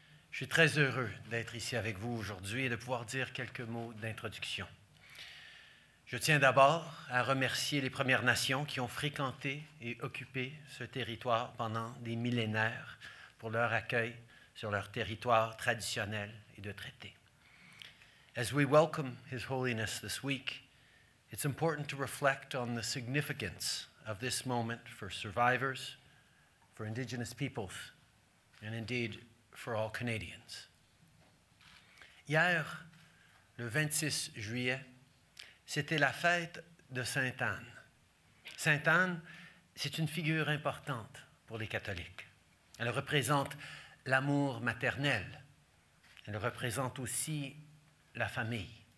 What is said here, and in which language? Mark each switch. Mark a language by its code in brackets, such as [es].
[fr] Je suis très heureux d'être ici avec vous aujourd'hui et de pouvoir dire quelques mots d'introduction. Je tiens d'abord à remercier les Premières Nations qui ont fréquenté et occupé ce territoire pendant des millénaires pour leur accueil sur leur territoire traditionnel et de traité. [en] As we welcome His Holiness this week, it's important to reflect on the significance of this moment for survivors, for Indigenous peoples, and indeed, for all Canadians. [fr] Hier, le 26 juillet, c'était la fête de Sainte-Anne. Sainte-Anne, c'est une figure importante pour les catholiques. Elle représente l'amour maternel. Elle représente aussi la famille.